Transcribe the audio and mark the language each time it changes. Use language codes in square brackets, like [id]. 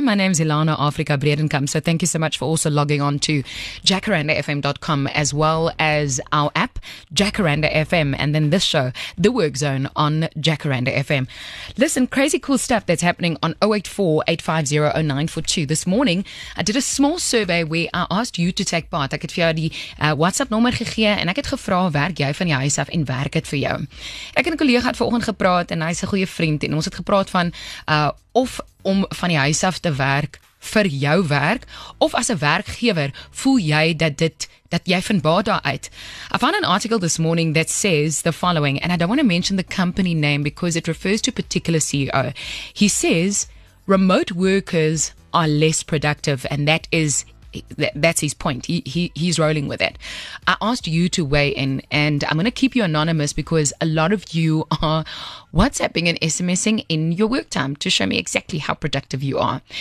[en] My name's Ilana Afrika Bredenkamp, so thank you so much for also logging on to jacarandafm.com, as well as our app, Jacaranda FM, and then this show, The Work Zone on Jacaranda FM. Listen, crazy cool stuff that's happening on 0848500942. This morning, I did a small survey where I asked you to take part. [af] Ek het vir jou die WhatsApp nommer gegee en ek het gevra, werk jy van die huis af en werk het vir jou? Ek en 'n kollega het vanoggend gepraat en hy is 'n goeie vriend en ons het gepraat van of om van die huis af te werk vir jou werk of as 'n werkgewer voel jy dat dit dat jy van baat daaruit. [en] I found an article this morning that says the following, and I don't want to mention the company name because it refers to a particular CEO. He says remote workers are less productive, and that is that's his point. He's rolling with it. I asked you to weigh in, and I'm going to keep you anonymous because a lot of you are WhatsApping and SMSing in your work time to show me exactly how productive you are.